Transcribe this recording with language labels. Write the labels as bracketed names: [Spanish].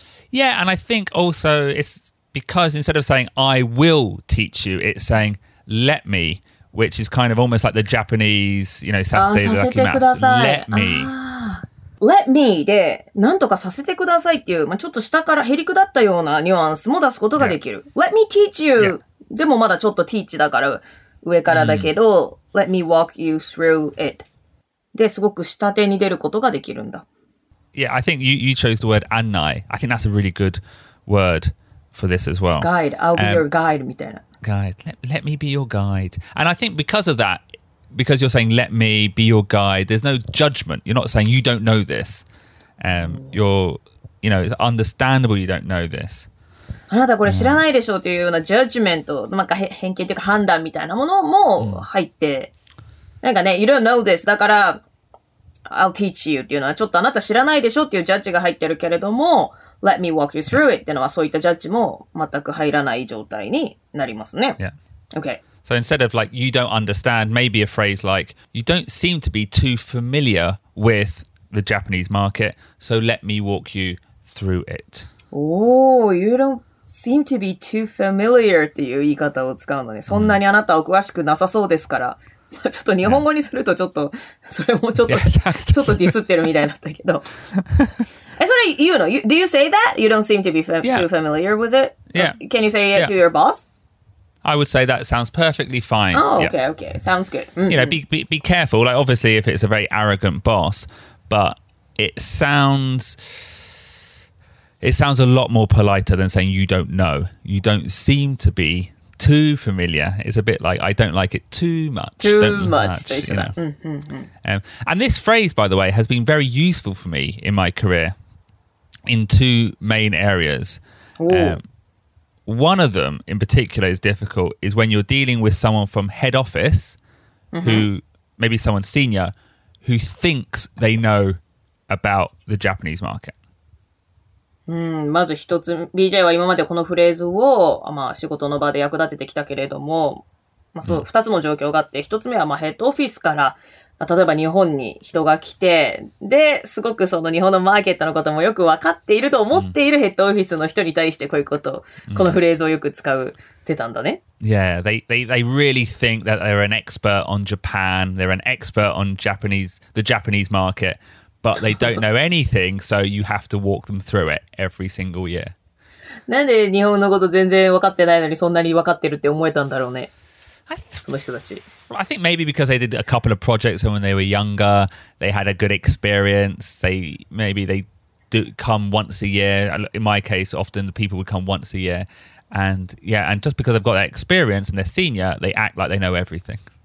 [English] Yeah, and I think also it's because instead of saying I will teach you, it's saying let me, which is kind of almost like the Japanese, you know, [Japanese] させてください [English] Let me [Japanese] Let me でなんとかさせてくださいっていう、まあ、ちょっと下からへり下ったようなニュアンスも出すことができる、yeah. [English] Let me teach you、 [Japanese] yeah. でもまだちょっと teach だから上からだけど、mm. [English] Let me walk you through it. [Japanese] ですごく下手に出ることができるんだ。 [English] Yeah, I think you chose the word 案内. I think that's a really good word for this as well. Guide, I'll be your guide みたいな。 Guide, let me be your guide. And I think because of that, because you're saying let me be your guide, there's no judgment. You're not saying you don't know this. You're, you know, it's understandable you don't know this. [Japanese] あなたこれ知らないでしょうというようなジャッジメント、うん、なんか偏見というか判断みたいなものも入って、うん、なんかね、 [English] you don't know this, [Japanese] だから、 [English] I'll teach you [Japanese] っていうのは、ちょっとあなた知らないでしょうっていうジャッジが入ってるけれども、 [English] let me walk you through it [Japanese] っていうのは、そういったジャッジも全く入らない状態になりますね。 [English] Yeah. Okay. So instead of like, you don't understand, maybe a phrase like, you don't seem to be too familiar with the Japanese market, so let me walk you through it. Oh, you don'tseem to be too familiar [Japanese] っていう言い方を使うのね。そんなにあなたは詳しくなさそうですから。まあ、ちょっと日本語にするとちょっと、それもちょっと、ちょっとディスってるみたいだったけど。え、それ言うの [English] ?Do you say that? You don't seem to be too familiar with it? Yeah. Can you say it to your boss? I would say that sounds perfectly fine. Oh, okay, okay. Sounds good.、 Mm-hmm. You know, be careful. Like, obviously, if it's a very arrogant boss, but it soundsIt sounds a lot more politer than saying you don't know. You don't seem to be too familiar. It's a bit like, I don't like it too much. And this phrase, by the way, has been very useful for me in my career in two main areas. One of them in particular is difficult is when you're dealing with someone from head office,、mm-hmm. who maybe someone senior, who thinks they know about the Japanese market. [Japanese] うん、まず一つ、BJ は今までこのフレーズを、まあ、仕事の場で役立ててきたけれども、まあ、そう、二つの状況があって、一つ目は、まあ、ヘッドオフィスから、まあ、例えば日本に人が来て、で、すごくその日本のマーケットのこともよくわかっていると思っているヘッドオフィスの人に対して、こういうこと、このフレーズをよく使うってたんだね。 [English] Yeah, they really think that they're an expert on Japan, they're an expert on the Japanese market. But they don't know anything, so you have to walk them through it every single year. [Japanese] なんで日本のこと全然分かってないのにそんなに分かってるって思えたんだろうね。 [English] I think maybe because they did a couple of projects when they were younger, they had a good experience. Maybe they come once a year. In my case, often the people would come once a year. And yeah, and just because they've got that experience and they're senior, they act like they know everything.